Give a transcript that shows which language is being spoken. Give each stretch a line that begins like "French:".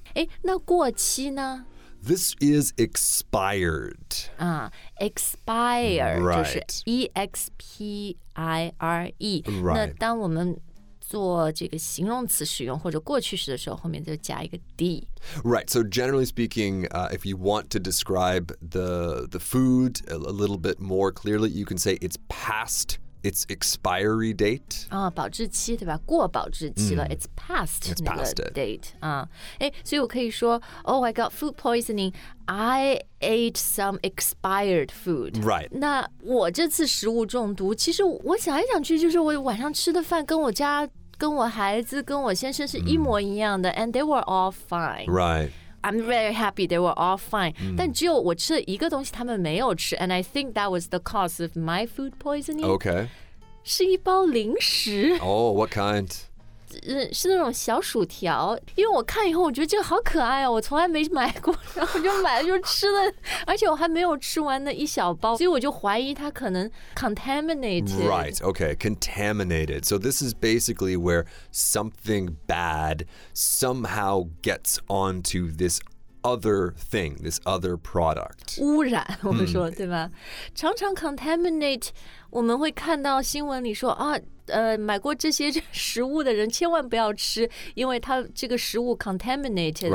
Chinese: 诶那过期呢
English: This is expired. Expire. Right. E-X-P-I-R-E. Right.
Chinese: 那当我们做这个形容词使用或者过去式的时候后面就加一个 D.
English: Right. So generally speaking,、if you want to describe the food a little bit more clearly, you can say it's past its expiry date.
Chinese: 保质期对吧过保质期了、
English: It's past it's past it. date.、
Chinese: 所以我可以说
English: Oh, I got food poisoning. I ate some expired food. Right.
Chinese: 那我这次食物中毒其实我想一想去就是我晚上吃的饭跟我家跟我孩子跟我先生是一模一样的、
English: And they were all fine. Right. I'm very happy they were all fine.、
Chinese: 但只有我吃了一个东西他们没有吃
English: And I think that was the cause of my food poisoning. Okay.
Chinese: 是一包零食。
English: Oh, what kind?、
Chinese: 是那种小薯条。因为我看以后我觉得这个好可爱哦我从来没买过。然后我就买了就吃了。而且我还没有吃完那一小包。所以我就怀疑它可能 contaminated.
English: Right, okay, contaminated. So this is basically where something bad somehow gets onto this other thing, this other product.
Chinese: 污染我们说、对吧常常 contaminate, 我们会看到新闻里说啊买过这些食物的人千万不要吃因为它这个食物 contaminated、